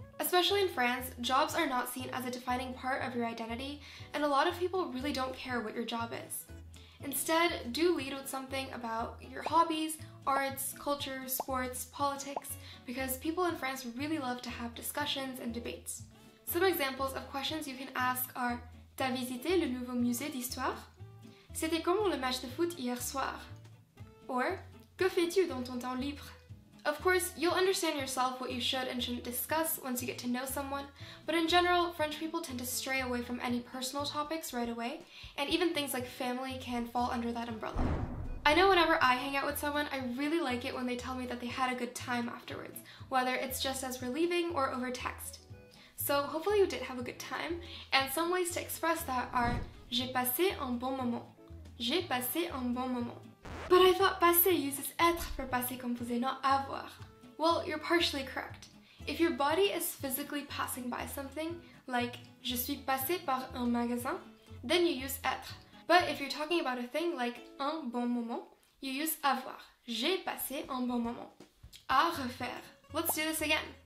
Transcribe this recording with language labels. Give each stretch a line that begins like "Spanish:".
English: Especially in France, jobs are not seen as a defining part of your identity, and a lot of people really don't care what your job is. Instead, do lead with something about your hobbies, arts, culture, sports, politics, because people in France really love to have discussions and debates. Some examples of questions you can ask are,
French: t'as visité le nouveau musée d'histoire? C'était comment le match de foot hier soir? Or, que fais-tu dans ton temps libre?
English: Of course, you'll understand yourself what you should and shouldn't discuss once you get to know someone, but in general, French people tend to stray away from any personal topics right away, and even things like family can fall under that umbrella. I know whenever I hang out with someone, I really like it when they tell me that they had a good time afterwards, whether it's just as we're leaving or over text. So hopefully you did have a good time, and some ways to express that are
French: j'ai passé un bon moment. J'ai passé un bon moment.
English: But I thought passé uses être for passé composé, not avoir. Well, you're partially correct. If your body is physically passing by something, like
French: je suis passé par un magasin,
English: then you use être. But if you're talking about a thing like
French: un bon moment,
English: you use avoir.
French: J'ai passé un bon moment. À refaire.
English: Let's do this again.